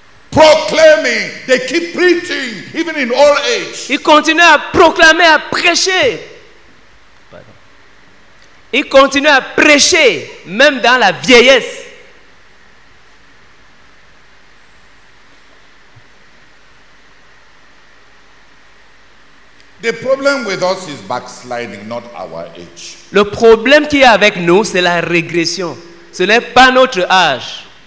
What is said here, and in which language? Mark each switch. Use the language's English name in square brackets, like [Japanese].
[English] Proclaiming, they keep preaching even in all age. [French] Ils continuent à proclamer, à prêcher. Pardon. Ils continuent à prêcher même dans la vieillesse. [English] The problem with us is backsliding, not our age. [French] Le problème qui est avec nous, c'est la régression. Ce n'est pas notre âge.